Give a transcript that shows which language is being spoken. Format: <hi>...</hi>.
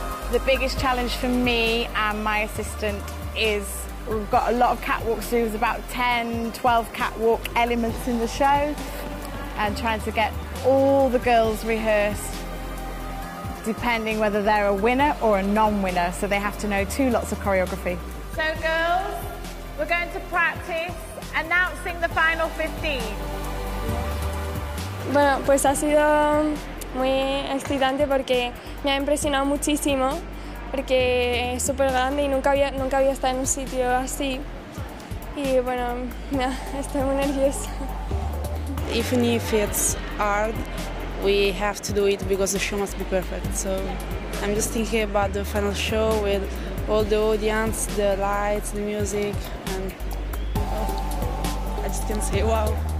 <en>The biggest challenge for me and my assistant is we've got a lot of catwalks, so there's about 10, 12 catwalk elements in the show, and trying to get all the girls rehearsed, depending whether they're a winner or a non-winner, so they have to know two lots of choreography. So, girls, we're going to practice announcing the final 15.</en> <es>Bueno, pues ha sido muy excitante porque me ha impresionado muchísimo. Porque es súper grande y nunca había estado en un sitio así. Y bueno, estoy muy nerviosa.</es> <en>Even if it's hard, we have to do it because the show must be perfect. So I'm just thinking about the final show with all the audience, the lights, the music, and I just can say wow.</en>